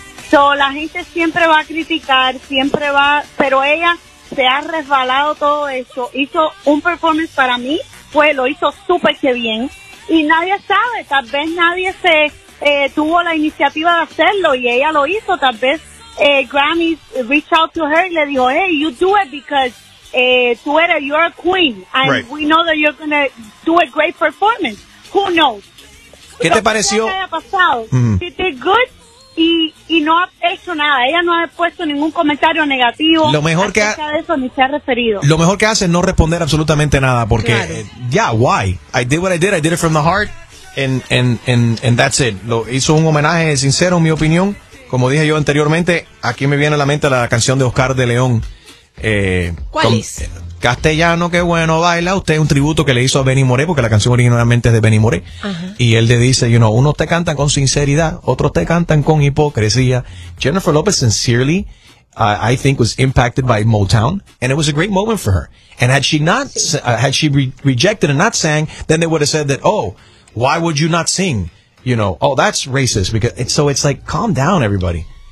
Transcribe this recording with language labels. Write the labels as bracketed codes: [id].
[es] So, la gente siempre va a criticar, siempre va, pero ella se ha resbalado todo eso. Hizo un performance para mí, pues lo hizo súper que bien. Y nadie sabe, tal vez nadie se tuvo la iniciativa de hacerlo y ella lo hizo. Tal vez [en] Grammy reached out to her [es] y le dijo, [en] hey, you do it because [es] tú eres, [en] you're a queen, and right. we know that you're gonna do a great performance. Who knows? [es] ¿Qué te pareció? Que haya pasado. [en] She did good [es] y no ha hecho nada. Ella no ha puesto ningún comentario negativo. Lo mejor que hace eso ni se ha referido. Lo mejor que hace es no responder absolutamente nada porque claro. [en] Yeah, why? I did what I did it from the heart. And that's it. [es] Lo hizo un homenaje sincero, en mi opinión. Como dije yo anteriormente, aquí me viene a la mente la canción de Oscar de León. ¿Cuál con, es? Castellano, qué bueno baila. Usted es un tributo que le hizo a Benny Moré, porque la canción originalmente es de Benny Moré. Uh-huh. Y él le dice, [en] you know, [es] unos te cantan con sinceridad, otros te cantan con hipocresía. [en] Jennifer Lopez, sincerely, I think was impacted by Motown, and it was a great moment for her. And had she not, had she rejected and not sang, then they would have said that, oh, why would you not sing? You know, oh, that's racist. Because it's, so it's like, calm down, everybody.